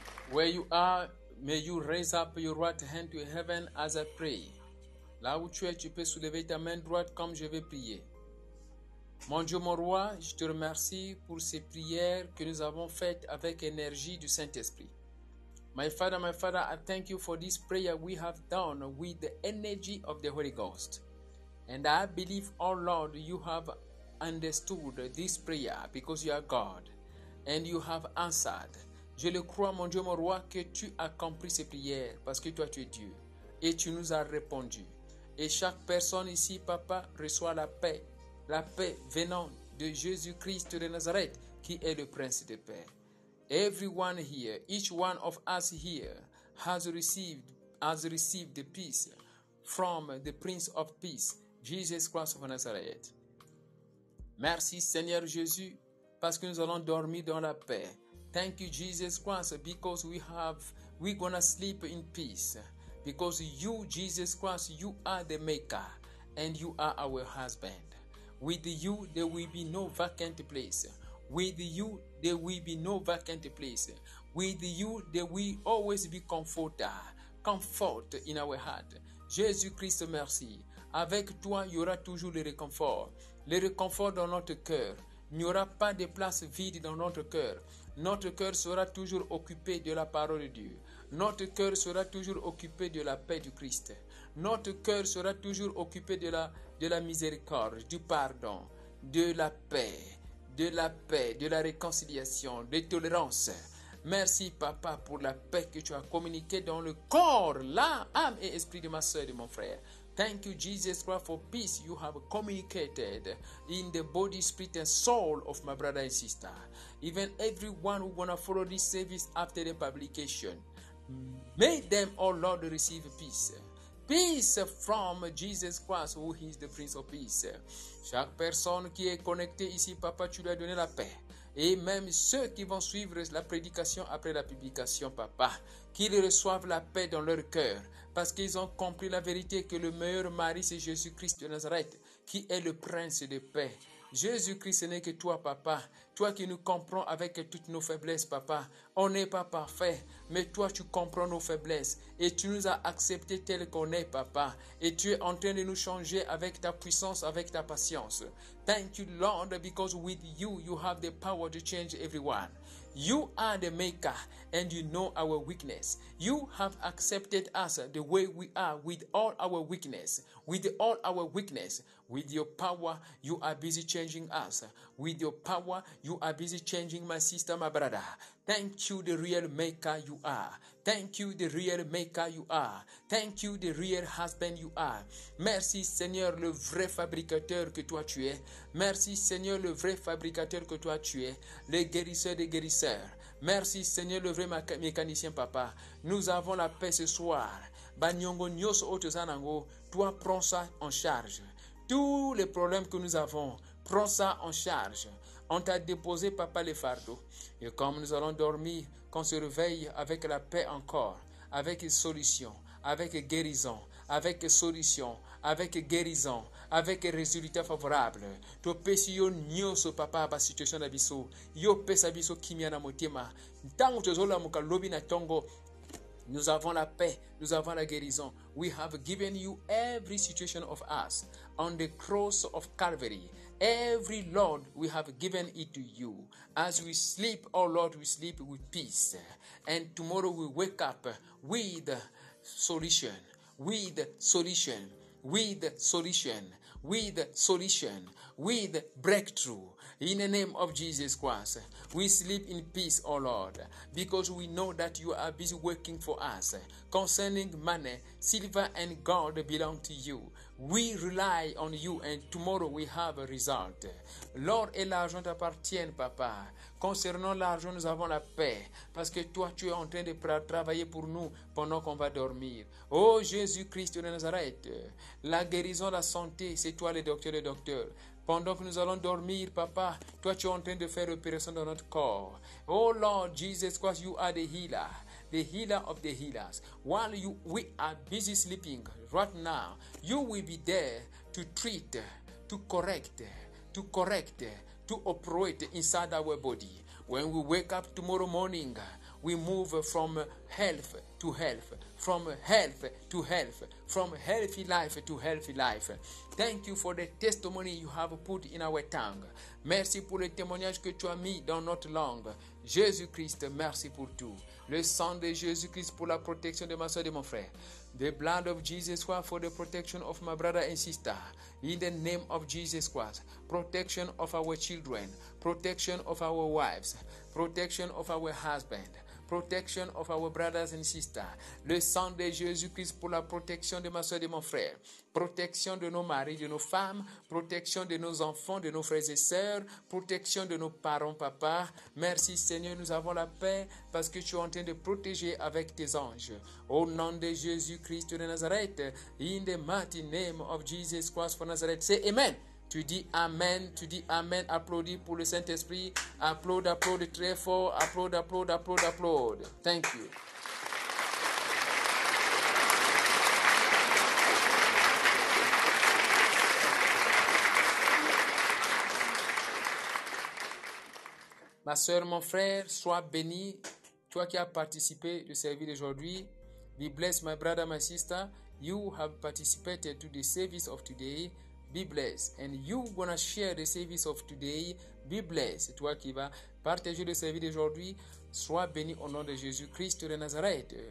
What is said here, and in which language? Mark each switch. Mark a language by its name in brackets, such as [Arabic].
[English] Where you are, may you raise up your right hand to heaven as I pray. [French] Là où tu es, tu peux soulever ta main droite comme je vais prier. Mon Dieu, mon roi, je te remercie pour ces prières que nous avons faites avec énergie du Saint-Esprit. [English] My Father, I thank you for this prayer we have done with the energy of the Holy Ghost. And I believe, oh Lord, you have understood this prayer because you are God and you have answered. [French] Je le crois, mon Dieu, mon roi, que tu as compris ces prières parce que toi, tu es Dieu et tu nous as répondu. Et chaque personne ici, Papa, reçoit la paix. La paix venant de Jésus-Christ de Nazareth, qui est le Prince de paix. [English] Everyone here, each one of us here, has received the peace from the Prince of Peace, Jesus Christ of Nazareth. [French] Merci Seigneur Jésus, parce que nous allons dormir dans la paix. [English] Thank you Jesus Christ, because we're gonna sleep in peace. Because you, Jesus Christ, you are the Maker, and you are our husband. With you, there will be no vacant place. With you, there will be no vacant place. With you, there will always be comfort in our heart. [French] Jésus Christ, merci. Avec toi, il y aura toujours le réconfort. Le réconfort dans notre cœur. Il n'y aura pas de place vide dans notre cœur. Notre cœur sera toujours occupé de la parole de Dieu. Notre cœur sera toujours occupé de la paix du Christ. Notre cœur sera toujours occupé de la miséricorde, du pardon, de la paix, de la réconciliation, de tolérance. Merci, Papa, pour la paix que tu as communiquée dans le corps, l'âme et l'esprit de ma soeur et de mon frère. [English] Thank you, Jesus Christ, for peace you have communicated in the body, spirit, and soul of my brother and sister. Even everyone who gonna follow this service after the publication, may them, oh Lord, receive peace. Peace from Jesus Christ, who is the Prince of Peace. [French] Chaque personne qui est connectée ici, Papa, tu lui as donné la paix. Et même ceux qui vont suivre la prédication après la publication, Papa, qu'ils reçoivent la paix dans leur cœur, parce qu'ils ont compris la vérité que le meilleur mari, c'est Jésus-Christ de Nazareth, qui est le Prince de paix. Jésus-Christ, ce n'est que toi, Papa. Toi qui nous comprends avec toutes nos faiblesses, Papa. On n'est pas parfait, mais toi, tu comprends nos faiblesses. Et tu nous as acceptés tels qu'on est, Papa. Et tu es en train de nous changer avec ta puissance, avec ta patience. [English] Thank you, Lord, because with you, you have the power to change everyone. You are the Maker, and you know our weakness. You have accepted us the way we are, with all our weakness. With all our weakness, with your power, you are busy changing us. With your power, you are busy changing my sister, my brother. Thank you, the real Maker you are. Thank you, the real Maker you are. Thank you, the real husband you are. [French] Merci, Seigneur, le vrai fabricateur que toi tu es. Merci, Seigneur, le vrai fabricateur que toi tu es. Le guérisseur des guérisseurs. Merci, Seigneur, le vrai mécanicien, Papa. Nous avons la paix ce soir. [Lingala] Banyongo nyoso otosanango, [French] toi prends ça en charge. Tous les problèmes que nous avons, prends ça en charge. On t'a déposé, Papa, les fardeaux. Et comme nous allons dormir, qu'on se réveille avec la paix encore, avec solution, avec guérison, avec solution, avec guérison, avec résultat favorable. [Lingala] To pesio nyoso papa ba situation na biso. Yo pesa biso kimia na motema. Ntango tozola mukalobi na tongo. [French] Nous avons la paix, nous avons la guérison. [English] We have given you every situation of us on the cross of Calvary. Every Lord, we have given it to you. As we sleep, oh Lord, we sleep with peace. And tomorrow we wake up with solution, with solution, with solution, with solution, with breakthrough. In the name of Jesus Christ, we sleep in peace, O Lord, because we know that you are busy working for us. Concerning money, silver and gold belong to you. We rely on you and tomorrow we have a result. [French] L'or et l'argent t'appartiennent, Papa. Concernant l'argent, nous avons la paix parce que toi, tu es en train de travailler pour nous pendant qu'on va dormir. Ô Jésus-Christ de Nazareth, la guérison, la santé, c'est toi le docteur des docteurs. Pendant que nous allons dormir, Papa, toi, tu es en train de faire opération dans notre corps. [English] Oh Lord Jesus Christ, you are the healer of the healers. While we are busy sleeping right now, you will be there to treat, to correct, to operate inside our body. When we wake up tomorrow morning, we move from health to health, from health to health, from healthy life to healthy life. Thank you for the testimony you have put in our tongue. [French] Merci pour le témoignage que tu as mis dans notre langue. Jésus-Christ, merci pour tout. Le sang de Jésus-Christ pour la protection de ma soeur et de mon frère. [English] The blood of Jesus Christ for the protection of my brother and sister. In the name of Jesus Christ, protection of our children, protection of our wives, protection of our husband, protection of our brothers and sisters. [French] Le sang de Jésus-Christ pour la protection de ma soeur et de mon frère. Protection de nos maris, de nos femmes, protection de nos enfants, de nos frères et sœurs, protection de nos parents, papa. Merci Seigneur, nous avons la paix parce que tu es en train de protéger avec tes anges. Au nom de Jésus-Christ de Nazareth, [English] in the mighty name of Jesus Christ for Nazareth, say amen. [French] Tu dis amen, tu dis amen. Applaudis pour le Saint-Esprit. [English] Applaud, applaud [French] très fort. [English] Applaud, applaud, applaud, applaud. Thank you. [French] Ma soeur, mon frère, sois béni. Toi qui as participé au service d'aujourd'hui, [English] be blessed, my brother, my sister. You have participated to the service of today. Be blessed. And you gonna share the service of today. Be blessed. [French] Toi qui vas partager le service d'aujourd'hui, sois béni au nom de Jésus-Christ de Nazareth.